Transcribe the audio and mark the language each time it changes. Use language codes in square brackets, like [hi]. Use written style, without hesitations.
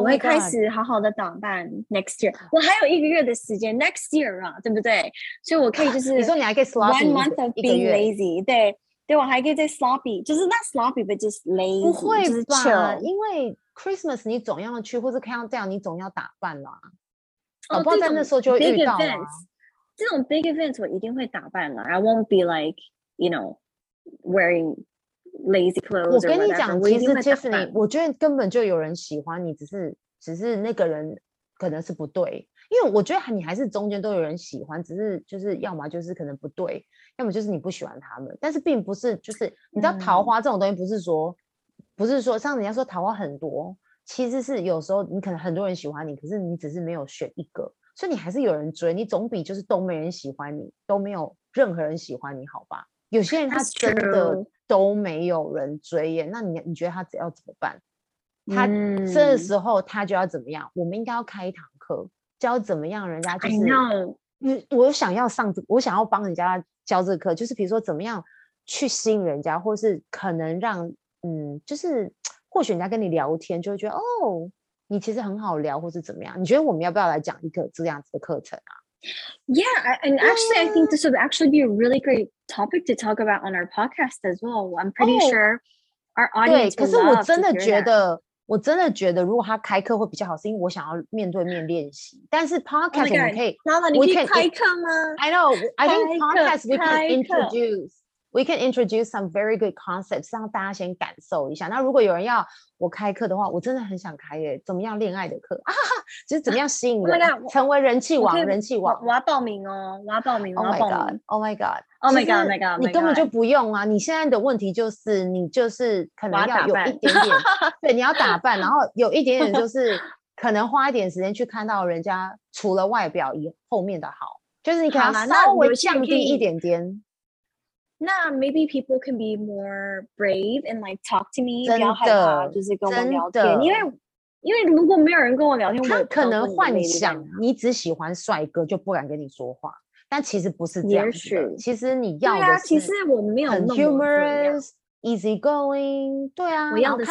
[zh] 我会开始好好的打扮 [en] next year。 [zh] 我还有一个月的时间 [en] next year [zh] 啊，对不对？所以我可以就是你说你还可以 sloppy [en] one month of being lazy， [zh] 对对，我还可以再 [en] sloppy， 就是 not sloppy but just lazy， [zh] 不会吧？就是 chill，因为Christmas 你总要去，或是 Countdown 你总要打扮啦、啊。哦，不然在那时候就会遇到啊。 [en] Events, [zh] 这种 [en] big events 我一定会打扮啦。 I won't be like you know wearing lazy clothes。 [zh] 我跟你讲，其实 Tiffany， 我觉得根本就有人喜欢你，只是那个人可能是不对，因为我觉得你还是中间都有人喜欢，只是就是要么就是可能不对，要么就是你不喜欢他们。但是并不是就是你知道桃花这种东西不是说。不是说像人家说桃花很多，其实是有时候你可能很多人喜欢你，可是你只是没有选一个，所以你还是有人追你，总比就是都没人喜欢你，都没有任何人喜欢你好吧。有些人他真的都没有人追耶，那你觉得他只要怎么办？他这时候他就要怎么样？我们应该要开一堂课教怎么样人家就是 我想要上，我想要帮人家教这个课，就是比如说怎么样去吸引人家，或是可能让就是或许人家跟你聊天就会觉得哦你其实很好聊或是怎么样，你觉得我们要不要来讲一个这样子的课程啊？ [en] Yeah, and actually、yeah. I think this would actually be a really great topic to talk about on our podcast as well. I'm pretty、 oh, sure our audience would love. [zh] 可是我真的觉得，我真的觉得如果他开课会比较好，是因为我想要面对面练习。但是 podcast、 oh、我们可以 Lala 你可以开课吗？ [en] I know, I think podcast we can introduce we can introduce some very good concepts, [zh] 让大家先感受一下。那如果有人要我开课的话，我真的很想开耶，怎么样恋爱的课啊，就是怎么样吸引人、成为人气王，人气王。我要报名哦，我要报名。 Oh my god, oh my god, oh my god, oh my god, 你根本就不用啊，你现在的问题就是你就是可能要有一点点，对，你要打扮，然后有一点点就是可能花一点时间去看到人家除了外表以后面的好，就是你可能稍微降低一点点。 [en] 那 maybe people can be more brave and like talk to me, [zh] 真的不要害怕，就是跟我聊天。因为如果没有人跟我聊天，他可能幻想你只喜欢帅哥就不敢跟你说话，但其实不是这样子的。其实你要的是，对啊，其实我没有那么 [en] humorous, easy going, [zh] 对啊，我要的是